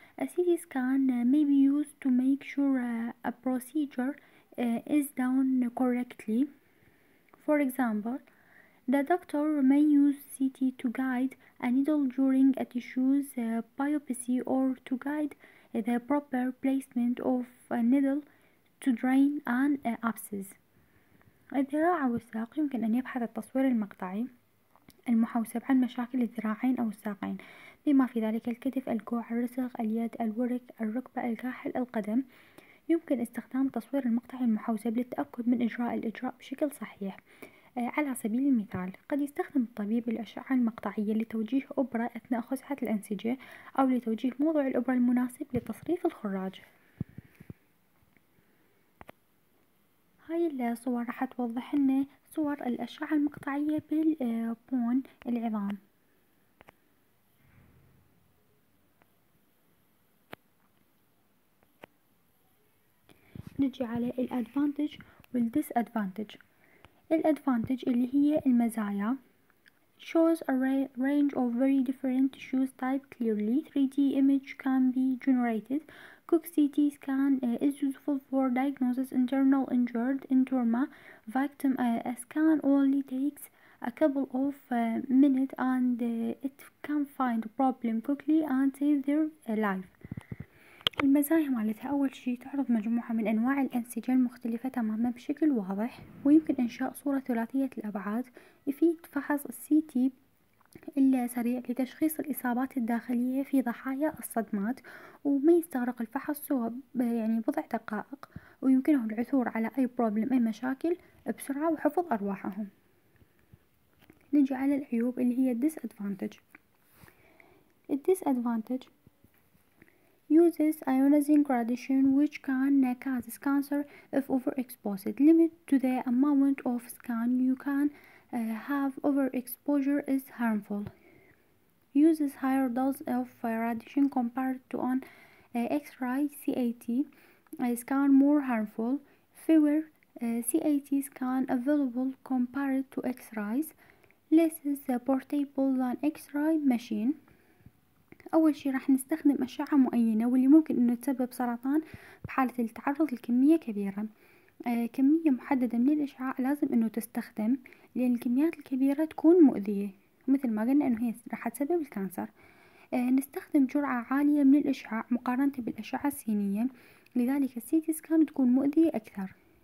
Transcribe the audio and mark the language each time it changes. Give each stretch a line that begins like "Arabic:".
English: A CT scan may be used to make sure a procedure is done correctly. For example, the doctor may use CT to guide a needle during a tissue's biopsy or to guide the proper placement of a needle to drain an abscess.
Arabic: الذراع والساق يمكن أن يبحث التصوير المقطعي المحوسب عن مشاكل الذراعين أو الساقين بما في ذلك الكتف، الكوع، الرسغ، اليد، الورك، الركبة، الكاحل، القدم. يمكن استخدام التصوير المقطعي المحوسب للتأكد من إجراء الإجراء بشكل صحيح. على سبيل المثال، قد يستخدم الطبيب الأشعة المقطعية لتوجيه أبرة أثناء خزعة الأنسجة أو لتوجيه موضع الأبرة المناسب لتصريف الخراج. هاي الصور راح توضح لنا صور الأشعة المقطعية بالبون العظام. نجي على الأدفانتج والديس أدفانتج. الأدفانتج اللي هي المزايا
English: shows a range of very different tissues type clearly. 3D image can be generated. Cook CT scan is useful for diagnosis internal injured in trauma victim. A scan only takes a couple of minutes and it can find problem quickly and save their life.
Arabic: المزايا مالتها أول شيء تعرض مجموعة من أنواع الأنسجة المختلفة تماما بشكل واضح، ويمكن إنشاء صورة ثلاثية الأبعاد. يفيد فحص السي تي السريع لتشخيص الإصابات الداخلية في ضحايا الصدمات، وما يستغرق الفحص سوى يعني بضع دقائق، ويمكنه العثور على أي بروبلم أي مشاكل بسرعة وحفظ أرواحهم. نجي على العيوب اللي هي الديس أدفانتج.
English: الديس أدفانتج uses ionizing radiation which can cause cancer if overexposed. Limit to the amount of scan you can have. Overexposure is harmful. Uses higher dose of radiation compared to an X-ray CAT scan, more harmful. Fewer CAT scan available compared to X-rays. Less is portable than X-ray machine.
Arabic: أول شيء راح نستخدم أشعة معينة واللي ممكن إنه تسبب سرطان بحالة التعرض لكمية كبيرة. كمية محددة من الأشعة لازم إنه تستخدم، لأن الكميات الكبيرة تكون مؤذية مثل ما قلنا إنه هي راح تسبب الكانسر. نستخدم جرعة عالية من الأشعة مقارنة بالأشعة السينية، لذلك السي تي سكان تكون مؤذية أكثر.